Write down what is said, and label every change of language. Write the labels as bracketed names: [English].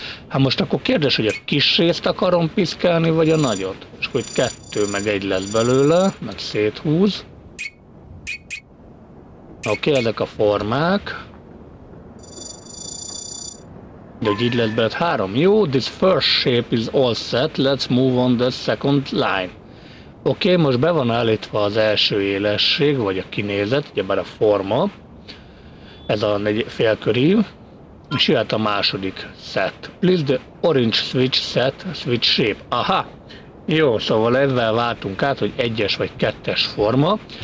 [Hungarian] Hát most akkor kérdés, hogy a kis részt akarom piszkálni, vagy a nagyot? És akkor itt kettő meg egy lesz belőle, meg széthúz. Oké, ezek a formák. De hogy így lesz belőle, három. [English] Jó, this first shape is all set, let's move on the second line. [Hungarian] Oké, okay, most be van állítva az első élesség, vagy a kinézet, ugyebár a forma. Ez a félkörív. És jöhet a második set. [English] Please the orange switch set, switch shape. Aha! [Hungarian] Jó, szóval ezzel váltunk át, hogy egyes vagy kettes forma.